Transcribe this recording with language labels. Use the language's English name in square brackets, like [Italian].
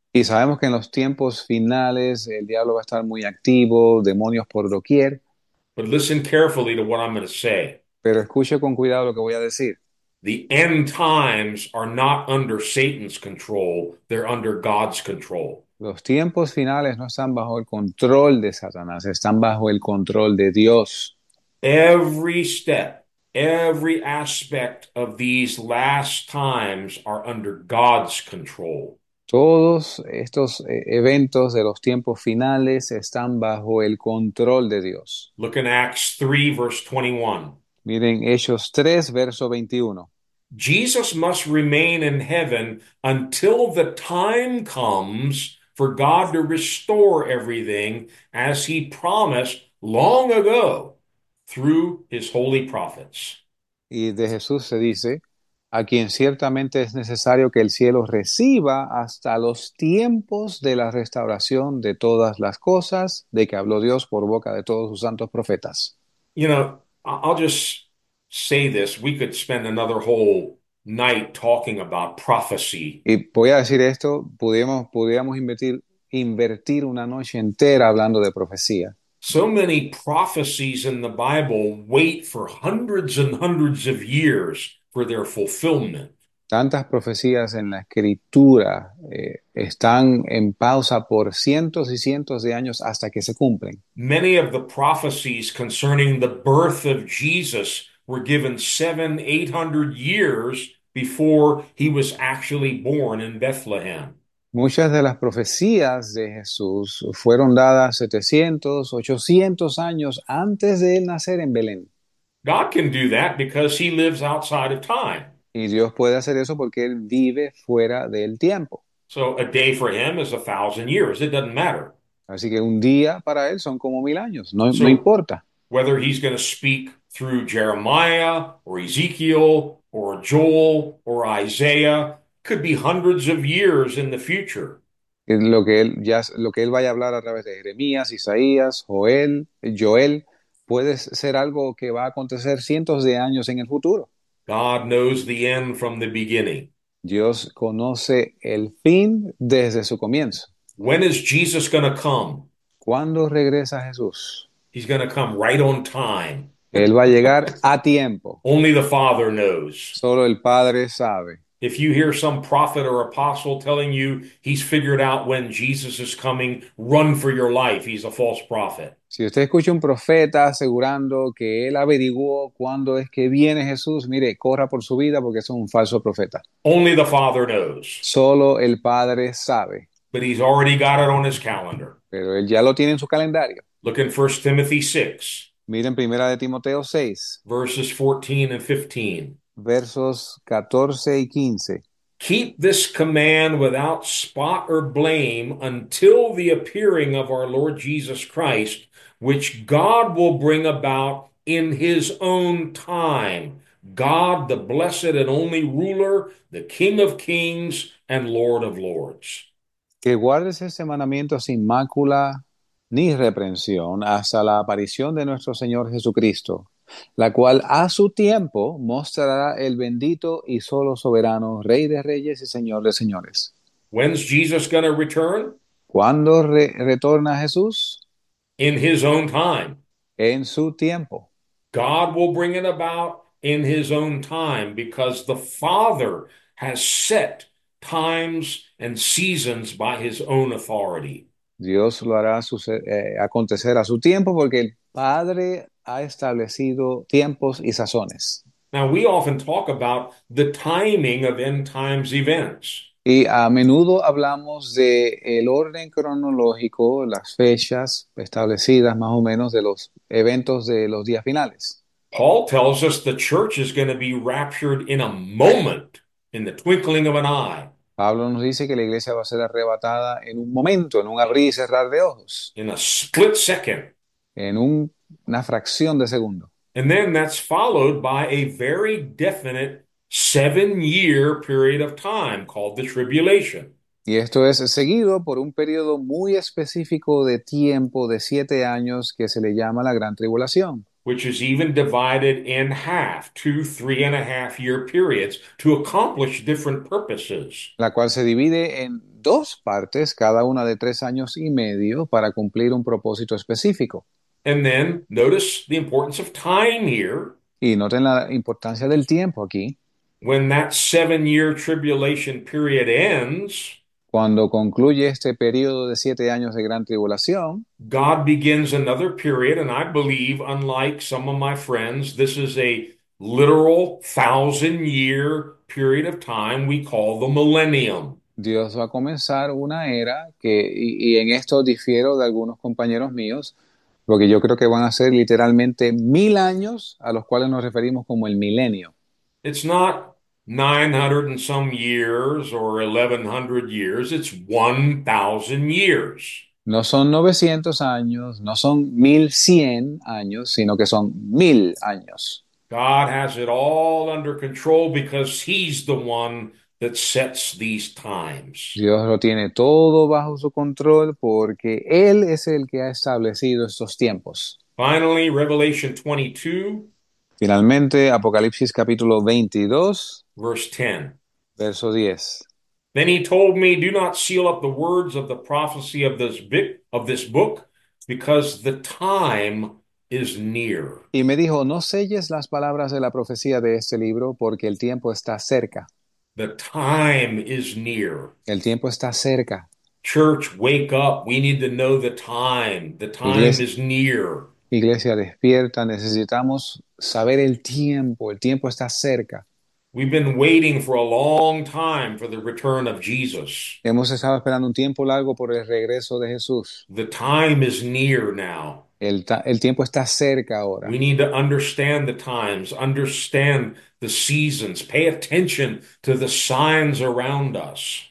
[Spanish] Y sabemos que en los tiempos finales el diablo va a estar muy activo, demonios por doquier. [English] But listen carefully to what I'm going to say. [Spanish] Pero escuche con cuidado lo que voy a decir. [English] The end times are not under Satan's control, they're under God's control. [Spanish] Los tiempos finales no están bajo el control de Satanás, están bajo el control de Dios. [English] Every step, every aspect of these last times are under God's control. [Spanish] Todos estos eventos de los tiempos finales están bajo el control de Dios. [English] Look in Acts 3, verse 21. [Spanish] Miren Hechos 3, verso 21. [English] Jesus must remain in heaven until the time comes for God to restore everything as he promised long ago through his holy prophets. [Spanish] Y de Jesús se dice, a quien ciertamente es necesario que el cielo reciba hasta los tiempos de la restauración de todas las cosas de que habló Dios por boca de todos sus santos profetas. [English] You know, I'll just say this. We could spend another whole night talking about prophecy. [Spanish] Y voy a decir esto, pudiéramos invertir una noche entera hablando de profecía. [English] So many prophecies in the Bible wait for hundreds and hundreds of years for their fulfillment. [Spanish] Tantas profecías en la escritura están en pausa por cientos y cientos de años hasta que se cumplen. [English] Many of the prophecies concerning the birth of Jesus were given 700, 800 years before he was actually born in Bethlehem. [Spanish] Muchas de las profecías de Jesús fueron dadas 700, 800 años antes de él nacer en Belén. [English] God can do that because he lives outside of time. [Spanish] Y Dios puede hacer eso porque Él vive fuera del tiempo. [English] So a day for him is 1,000 years. It doesn't matter. [Spanish] Así que un día para Él son como 1,000 años. No, no [English] So, [Spanish] importa. [English] whether he's going to speak through Jeremiah or Ezekiel or Joel or Isaiah, could be hundreds of years in the future. [Spanish] Lo que él vaya a hablar a través de Jeremías, Isaías, Joel, Joel, puede ser algo que va a acontecer cientos de años en el futuro. [English] God knows the end from the beginning. [Spanish] Dios conoce el fin desde su comienzo. [English] When is Jesus going to come? [Spanish] ¿Cuándo regresa Jesús? [English] He's going to come right on time. [Spanish] Él va a llegar a tiempo. [English] Only the Father knows. [Spanish] Solo el Padre sabe. [English] If you hear some prophet or apostle telling you he's figured out when Jesus is coming, run for your life. He's a false prophet. [Spanish] Si usted escucha un profeta asegurando que él averiguó cuándo es que viene Jesús, mire, corra por su vida porque es un falso profeta. [English] Only the Father knows. [Spanish] Solo el Padre sabe. [English] But he's already got it on his calendar. [Spanish] Pero él ya lo tiene en su calendario. [English] Look in 1 Timothy 6, [Spanish] Miren Primera de Timoteo 6, [English] verses 14 and 15. [Spanish] versos 14 y 15. [English] Keep this command without spot or blame until the appearing of our Lord Jesus Christ, which God will bring about in his own time. God, the blessed and only ruler, the King of kings and Lord of lords. [Spanish] Que guardes ese mandamiento sin mácula ni reprensión hasta la aparición de nuestro Señor Jesucristo, la cual a su tiempo mostrará el bendito y solo soberano Rey de Reyes y Señor de Señores. [English] When's Jesus going to return? [Spanish] ¿Cuándo retorna Jesús? [English] In his own time. [Spanish] En su tiempo. [English] God will bring it about in his own time because the Father has set times and seasons by his own authority. [Spanish] Dios lo hará acontecer a su tiempo porque el Padre ha establecido tiempos y sazones. [English] Now, we often talk about the timing of end times events. [Spanish] Y a menudo hablamos del orden cronológico, las fechas establecidas más o menos de los eventos de los días finales. [English] Paul tells us the church is going to be raptured in a moment, in the twinkling of an eye. [Spanish] Pablo nos dice que la iglesia va a ser arrebatada en un momento, en un abrir y cerrar de ojos, [English] In a split second. [Spanish] en una fracción de segundo. [English] And then that's followed by a very definite 7-year period of time called the tribulation. [Spanish] Y esto es seguido por un periodo muy específico de tiempo de 7 años que se le llama la Gran Tribulación. [English] Which is even divided in half, 2, 3.5 year periods to accomplish different purposes. [Spanish] La cual se divide en dos partes, cada una de 3 años y medio, para cumplir un propósito específico. [English] And then notice the importance of time here. [Spanish] Y noten la importancia del tiempo aquí. [English] When that 7-year tribulation period ends, [Spanish] Cuando concluye este periodo de 7 años de gran tribulación, [English] God begins another period, and I believe, unlike some of my friends, this is a literal 1,000-year period of time we call the millennium. [Spanish] Dios va a comenzar una era que, y en esto difiero de algunos compañeros míos, porque yo creo que van a ser literalmente 1000 años a los cuales nos referimos como el milenio. [English] It's not 900 and some years or 1100 years, it's 1000 years. [Spanish] No son 900 años, no son 1100 años, sino que son 1000 años. [English] God has it all under control because he's the one that sets these times. [Spanish] Dios lo tiene todo bajo su control porque Él es el que ha establecido estos tiempos. [English] Finally, Revelation 22, [Spanish] Finalmente, Apocalipsis capítulo 22, [English] verse 10. [Spanish] verso 10. [English] Then he told me, "Do not seal up the words of the prophecy of this book, because the time is near." [Spanish] Y me dijo, no selles las palabras de la profecía de este libro porque el tiempo está cerca. [English] The time is near. [Spanish] El tiempo está cerca. [English] Church, wake up. We need to know the time. The time [Spanish] Iglesia, [English] is near. [Spanish] iglesia despierta, necesitamos saber el tiempo. El tiempo está cerca. [English] We've been waiting for a long time for the return of Jesus. [Spanish] Hemos estado esperando un tiempo largo por el regreso de Jesús. [English] The time is near now. [Spanish] El tiempo está cerca [English] We [Spanish] ahora. [English] need to understand the times, understand the seasons, pay attention to the signs around us.